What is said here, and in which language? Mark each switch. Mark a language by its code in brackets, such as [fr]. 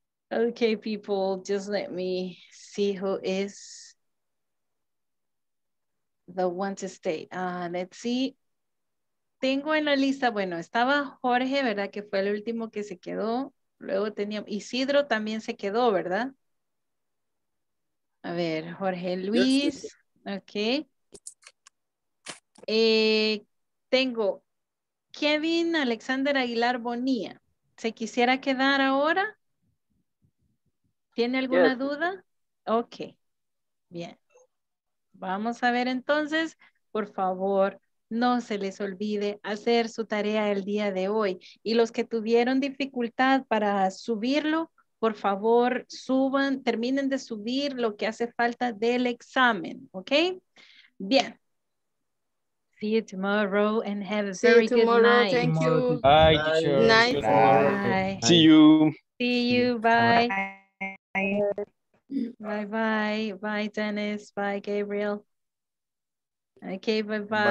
[en] Okay, people, just let me see who is the one to stay. Let's see. [es] Tengo en la lista, bueno, estaba Jorge, ¿verdad? Que fue el último que se quedó. Luego tenía Isidro también se quedó, ¿verdad? A ver, Jorge Luis. Ok. Tengo Kevin Alexander Aguilar Bonilla. ¿Se quisiera quedar ahora? ¿Tiene alguna duda? Ok. Bien. Vamos a ver entonces. Por favor, no se les olvide hacer su tarea el día de hoy. Y los que tuvieron dificultad para subirlo, por favor, suban, terminen de subir lo que hace falta del examen, ¿ok? Bien. [en] See you tomorrow and have a very good night. Thank you. Bye, teacher. Night. Bye. See you. See you. Bye. Bye. Bye. Bye, Dennis. Bye, Gabriel. Okay, bye-bye.